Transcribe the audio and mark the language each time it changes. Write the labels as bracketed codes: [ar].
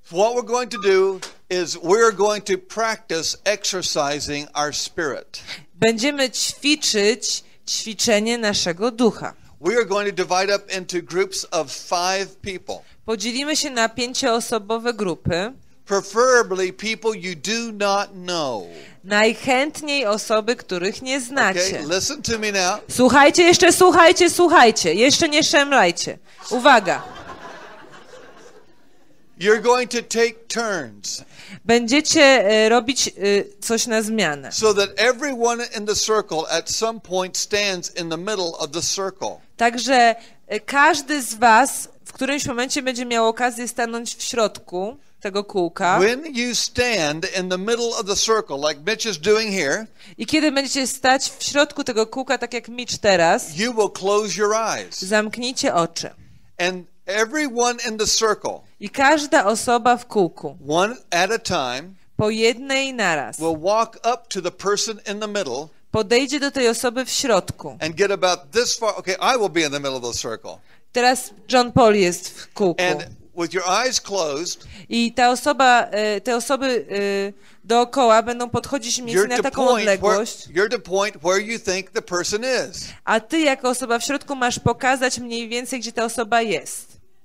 [en] What we're going to do is we're going to practice exercising our spirit. [pl] Będziemy ćwiczyć ćwiczenie naszego ducha. [en] We are going to divide up into groups of 5 people. [pl] Podzielimy się na 5-osobowe grupy. [en] Preferably people you do not know. [pl] Najchętniej osoby, których nie znacie. [en] Okay, listen to me now. [pl] Słuchajcie, jeszcze słuchajcie, słuchajcie. Jeszcze nie szemrajcie. Uwaga. [en] You're going to take turns. [pl] Będziecie robić coś na zmianę. [en] So that everyone in the circle at some point stands in the middle of the circle. [pl] Także każdy z was w którymś momencie będzie miał okazję stanąć w środku tego kółka. [en] When you stand in the middle of the circle, like Mitch is doing here. [pl] I kiedy będziecie stać w środku tego kółka, tak jak Mitch teraz. [en] You will close your eyes. [pl] Zamknijcie oczy. [en] And everyone in the circle. [pl] I każda osoba w kółku. [en] One at a time. [pl] Po jednej naraz. [en] Will walk up to the person in the middle. [pl] Podejdzie do tej osoby w środku. [en] And get about this far. Okay, I will be in the middle of the circle. [pl] Teraz John Paul jest w kółku. [en] And with your eyes closed. [pl] I ta osoba, te osoby dookoła będą podchodzić mi na taką odległość. [en] You're to point where you think the person is. [pl] A ty jako osoba w środku masz pokazać mniej więcej, gdzie ta osoba jest.